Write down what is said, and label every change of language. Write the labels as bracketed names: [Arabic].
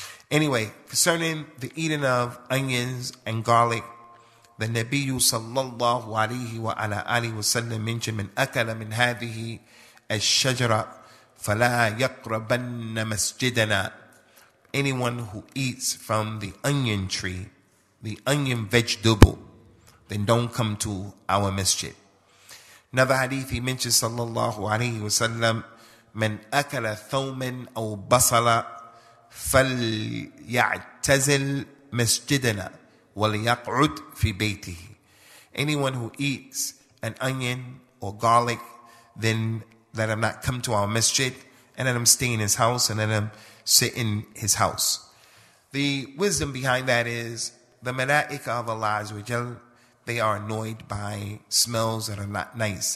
[English] Anyway, concerning the eating of onions and garlic, the Nabiyyu sallallahu alayhi wa ala alihi wa sallam mentioned, [Arabic] من أكل من هذه الشجرة فَلَا يَقْرَبَنَّ مَسْجِدَنَا. [English] Anyone who eats from the onion tree, the onion vegetable, then don't come to our masjid. Another hadith, he mentions, [Arabic] sallallahu alayhi wa sallam, مَنْ أَكَلَ ثَوْمًا أَوْ بَصَلًا فَلْيَعْتَزِلْ مَسْجِدَنَا وَلْيَقْعُدْ فِي بَيْتِهِ. [English] Anyone who eats an onion or garlic, then let him not come to our masjid, and let him stay in his house, and let him sit in his house. The wisdom behind that is, the malaika of Allah Azza wa Jal, they are annoyed by smells that are not nice.